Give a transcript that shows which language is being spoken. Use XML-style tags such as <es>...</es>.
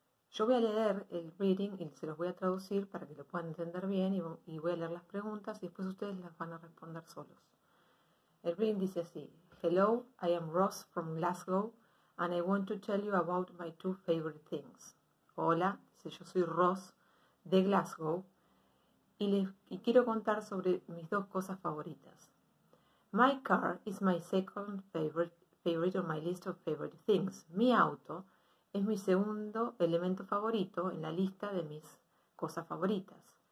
<es>Yo voy a leer el reading y se los voy a traducir para que lo puedan entender bien y voy a leer las preguntas y después ustedes las van a responder solos. El reading dice así.</es> <en>Hello, I am Ross from Glasgow and I want to tell you about my two favorite things.</en> <es>Hola, yo soy Ross de Glasgow y quiero contar sobre mis dos cosas favoritas.</es> <en>My car is my second favorite on my list of favorite things.</en> <es>Mi auto es mi segundo elemento favorito en la lista de mis cosas favoritas.</es>